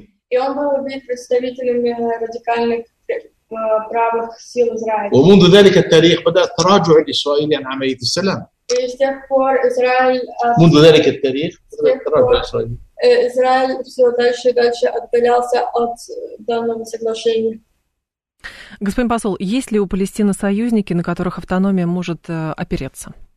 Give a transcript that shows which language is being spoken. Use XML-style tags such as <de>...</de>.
<ru>И он был убит представителями радикальных правых сил Израиля.</ru> <ar>ومنذ ذلك التاريخ بدأ التراجع الإسرائيلي عن عملية السلام.</ar> <ru>И с тех пор Израиль.</ru> <ar>منذ ذلك التاريخ تراجع الإسرائيلي.</ar> <ru>Израиль все дальше и дальше отдалялся от данного соглашения. Господин посол, есть ли у Палестины союзники, на которых автономия может опереться?</ru>